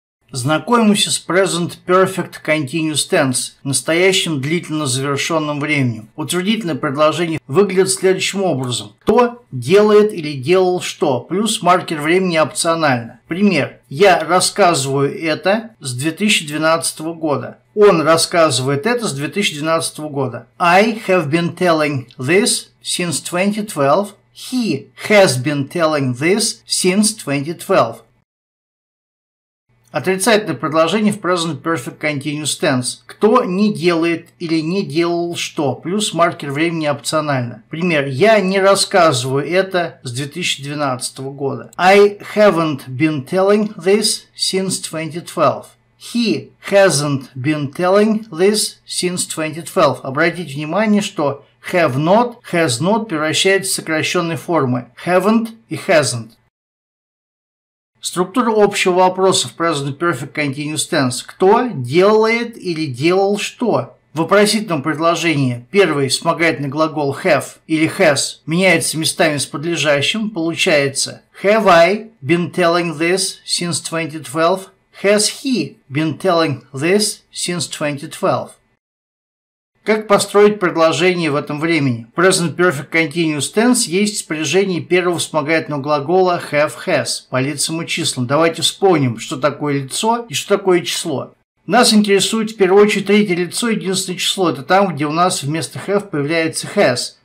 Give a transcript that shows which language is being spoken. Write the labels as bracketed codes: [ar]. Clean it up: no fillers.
[ru] Знакомимся с Present Perfect Continuous Tense, настоящим длительно завершенным временем. Утвердительное предложение выглядит следующим образом. Кто делает или делал что, плюс маркер времени опционально. Пример. Я рассказываю это с 2012 года. Он рассказывает это с 2012 года. [en] I have been telling this since 2012. He has been telling this since 2012. [ru] Отрицательное предложение в Present Perfect Continuous Tense. Кто не делает или не делал что, плюс маркер времени опционально. Пример. Я не рассказываю это с 2012 года. [en] I haven't been telling this since 2012. He hasn't been telling this since 2012. [ru] Обратите внимание, что have not, has not превращается в сокращенные формы. Haven't и hasn't. Структура общего вопроса в Present Perfect Continuous Tense. Кто делает или делал что? В вопросительном предложении первый вспомогательный глагол have или has меняется местами с подлежащим. Получается [en] Have I been telling this since 2012? Has he been telling this since 2012? [ru] Как построить предложение в этом времени? В Present Perfect Continuous Tense есть спряжение первого вспомогательного глагола have-has по лицам и числам. Давайте вспомним, что такое лицо и что такое число. Нас интересует в первую очередь третье лицо, единственное число. Это там, где у нас вместо have появляется has.